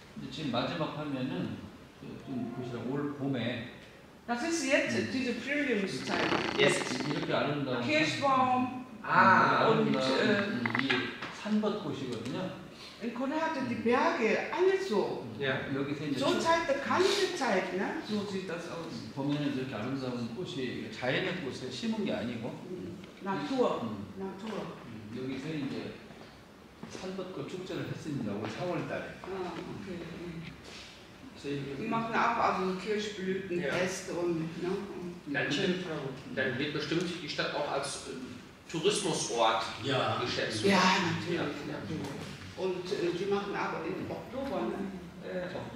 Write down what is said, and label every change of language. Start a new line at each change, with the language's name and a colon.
Korean: 지금 마지막 화면은 좀 보시라 올 봄에.
German: Das ist jetzt diese Frühlingszeit. Yes. Hier Kirschbaum. Ah. Und die Sandbadkuschigotnja. In Korea hatte die Berge alles so. Ja. So zeigt der kalte Zeit, ne? So sieht das aus.
Korean: 보면은 이렇게 아름다운 꽃이 자연의 꽃을 심은 게 아니고.
German: Natur. Natur.
Korean: 여기서 이제 산벚꽃 축제를 했습니다. 올 4월 달에. 아, 오케이.
German: Die machen auch also Kirschblütenäste Dann wird bestimmt die Stadt auch als Tourismusort geschätzt. Ja, natürlich. Ja. Und die machen aber im Oktober, ne?